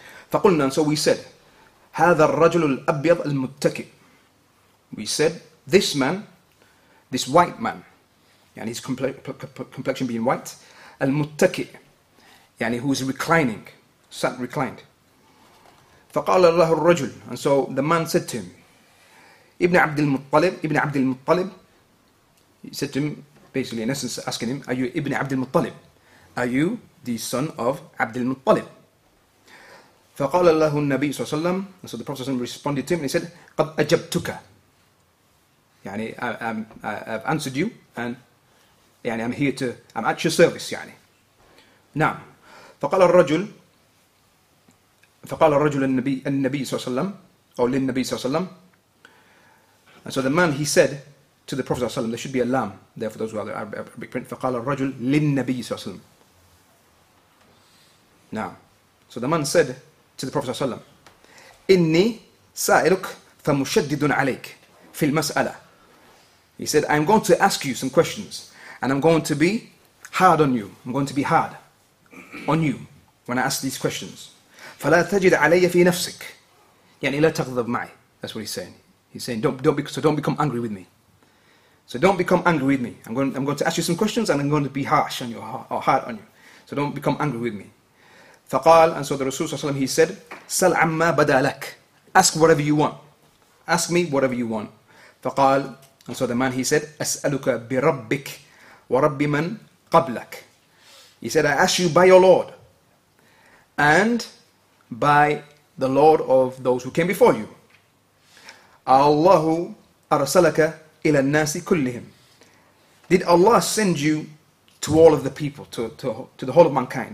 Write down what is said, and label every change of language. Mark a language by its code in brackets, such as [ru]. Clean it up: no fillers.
[ar] فقلنا, [en] so we said, [ar] هذا الرجل الأبيض المتكئ. [en] We said, this man, this white man, يعني his complexion being white, المتكئ, يعني who is reclining, sat reclined. [ar] فقال الله الرجل, [en] and so the man said to him, ابن عبد المطلب, he said to him, basically in essence asking him, are you ابن عبد المطلب? Are you the son of Abd al-Muttalib. [ar] فقال الله النبي صلى الله عليه وسلم [en] and so the Prophet responded to him and he said [ar] قد أجبتك [en] يعني I've answered you and يعني I'm here to, I'm at your service يعني. نعم. [ar] فقال الرجل النبي صلى الله عليه وسلم أو للنبي صلى الله عليه وسلم. [en] And so the man he said to the Prophet صلى الله عليه وسلم, there should be a lamb there for those who are the Arabic print. [ar] فقال الرجل للنبي صلى الله عليه وسلم. نعم. [en] So the man said to the Prophet [ar] صلى الله عليه وسلم, إني سائلك فمشدد عليك في المسألة. [en] He said, I'm going to ask you some questions and I'm going to be hard on you. I'm going to be hard on you when I ask these questions. [ar] فلا تجد علي في نفسك. يعني لا تغضب معي. [en] That's what he's saying. He's saying, don't become angry with me. So don't become angry with me. I'm going to ask you some questions and I'm going to be harsh on you or hard on you. So don't become angry with me. فقال, and so the Rasul he said, [ar] سل عما بدا لك. [en] Ask whatever you want. Ask me whatever you want. فقال, and so the man he said, أسألك بربك ورب من قبلك. He said, I ask you by your Lord and by the Lord of those who came before you. [ar] Allahu arsalaka ila nasi kullihim. [en] Did Allah send you to all of the people, to the whole of mankind?